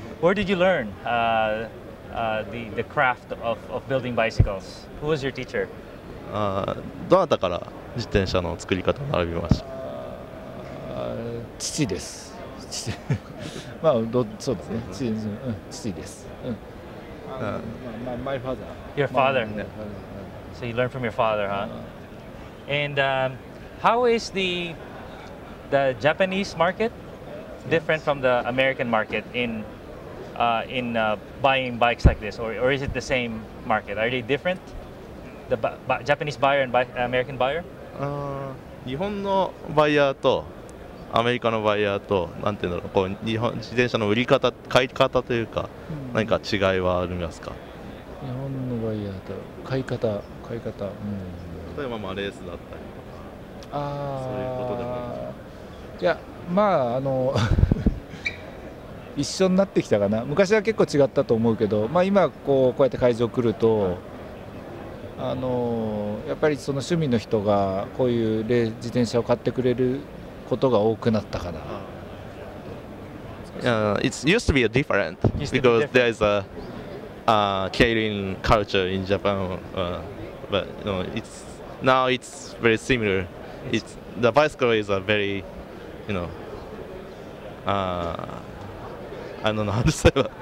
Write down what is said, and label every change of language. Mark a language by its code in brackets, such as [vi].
[en] Where did you learn the craft of building bicycles? Who was your teacher? [ja] どなたから自転車の作り方を学びました ? 父です。まあ、そうですね。父です。 [en] My father. Your father. So you learned from your father, huh? And how is the Japanese market different from the American market in buying bikes like this, or is it the same market? Are they different, the Japanese buyer and American buyer? [ja] 日本のバイヤーとアメリカのバイヤーと、なんていうんだろう、こう日本自転車の売り方、買い方というか、何か違いはありますか？日本のバイヤーと買い方、例えばまあレースだったりとか、そういうことでもいいですか？いや、まあ一緒になってきたかな。昔は結構違ったと思うけど、まあ、今こうやって会場来ると、やっぱりその趣味の人がこういう自転車を買ってくれることが多くなったかな。 [en] It used to be different because there is a keirin culture in Japan, but you know, it's now it's very similar. It's the bicycle is a very I don't know how to say that.